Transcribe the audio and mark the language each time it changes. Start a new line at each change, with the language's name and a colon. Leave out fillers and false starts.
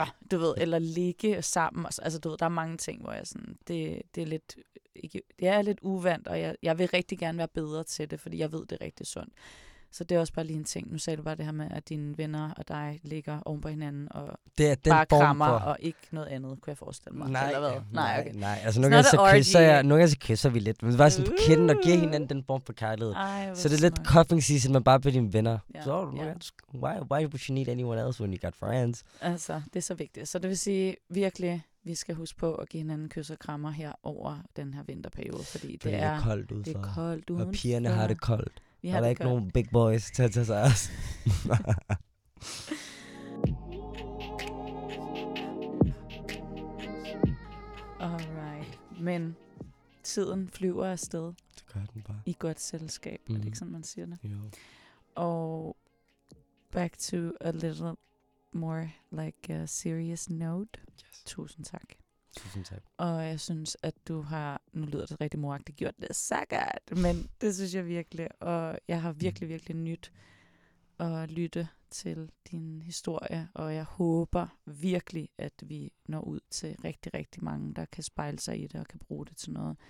Danish: du ved, eller ligge sammen. Altså, du ved, der er mange ting, hvor jeg sådan, det er lidt uvant, og jeg vil rigtig gerne være bedre til det, fordi jeg ved, det er rigtig sundt. Så det er også bare lige en ting. Nu sagde du bare det her med, at dine venner og dig ligger oven på hinanden, og det er den bare bomber. Krammer, og ikke noget andet, kunne jeg forestille mig. Nej, eller hvad? Nej. Altså, nogle gange så kysser vi lidt, men bare sådan på kinden og giver hinanden den bombe på kærlighed. Så det er lidt cuffing season, men bare på dine venner. Ja,
English: så why would you need anyone else when you got friends?
Danish: Altså, det er så vigtigt. Så det vil sige, virkelig, vi skal huske på at give hinanden kys og krammer her over den her vinterperiode, fordi det er koldt ud for. Det er koldt udenfor. Og pigerne har det koldt. Vi har der er ikke nogen big boys til at tage sig af os. Alright. Men tiden flyver afsted. Det gør den bare. I godt selskab, er det ikke sådan, man siger det? Jo.
English: Og back to a little more like a serious note. Yes.
Danish: Tusind tak. Tusind tak. Og jeg synes, at du har, nu lyder det rigtig moragtigt, gjort det så godt, men det synes jeg virkelig, og jeg har virkelig, virkelig nyt at lytte til din historie, og jeg håber virkelig, at vi når ud til rigtig, rigtig mange, der kan spejle sig i det og kan bruge det til noget,